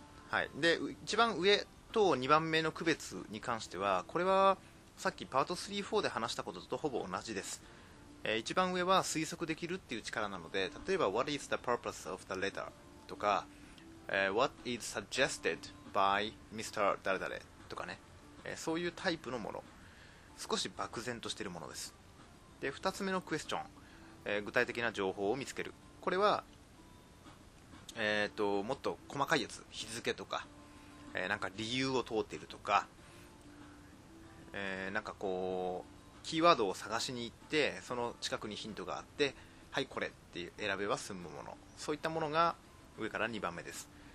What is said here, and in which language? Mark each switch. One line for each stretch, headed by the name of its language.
Japanese: はい。で一番上と2番目の区別に関しては、これはさっきパート3、4で話したこととほぼ同じです。一番上は推測できるっていう力なので、例えば
English: What is the purpose of the letter?
Japanese: とか
English: What is suggested by Mr.
Japanese: 誰々とかね、そういうタイプのもの、少し漠然としているものです。で2つ目のクエスチョン、具体的な情報を見つける、これはもっと細かいやつ、日付とか、なんか理由を問うているとか、なんかこうキーワードを探しに行ってその近くにヒントがあって、はいこれって選べば済むもの、そういったものが上から2番目です。